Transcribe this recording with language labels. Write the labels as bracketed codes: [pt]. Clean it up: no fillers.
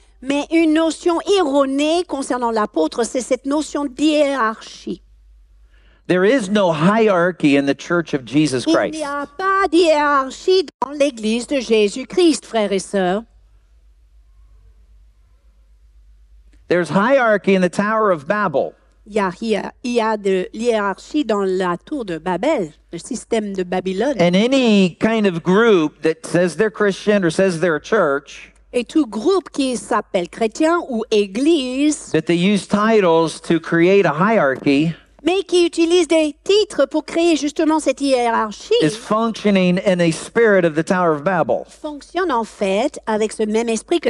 [fr] Mais une notion erronée concernant l'apôtre, c'est cette notion d'hierarchie. [en] There is no hierarchy in the Church of Jesus Christ. [fr] Il n'y a pas d'hierarchie dans l'Église de Jésus-Christ, frères et sœurs. [en] There's hierarchy in the Tower of Babel. [fr] Il y a de l'hierarchie dans la tour de Babel, le système de Babylone. [en] And any kind of group that says they're Christian or says they're a church. [fr] Et tout groupe qui s'appelle chrétien ou église. [en] That they use titles to create a hierarchy. [fr] Mais qui utilise des titres pour créer justement cette hiérarchie. [en] Is functioning in a spirit of the Tower of Babel. [fr] Fonctionne en fait avec ce même esprit que